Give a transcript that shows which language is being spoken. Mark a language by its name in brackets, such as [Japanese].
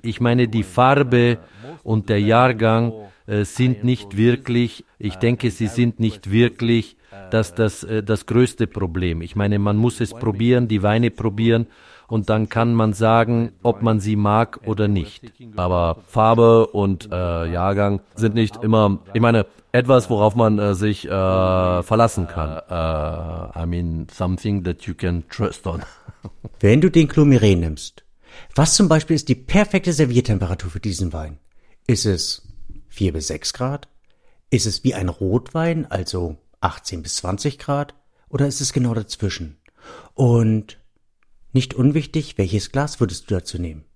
[German] Ich meine, die Farbe und der Jahrgang sind nicht wirklich das größte Problem. Ich meine, man muss es probieren, die Weine probieren und dann kann man sagen, ob man sie mag oder nicht. Aber Farbe und Jahrgang sind nicht immer, ich meine, etwas, worauf man sich verlassen kann. [English] I mean, something that you can trust on. [German] Wenn du den Clos Miret nimmst, was zum Beispiel ist die perfekte Serviertemperatur für diesen Wein? Ist es 4 bis 6 Grad? Ist es wie ein Rotwein, also 18 bis 20 Grad? Oder ist es genau dazwischen? Und nicht unwichtig, welches Glas würdest du dazu nehmen?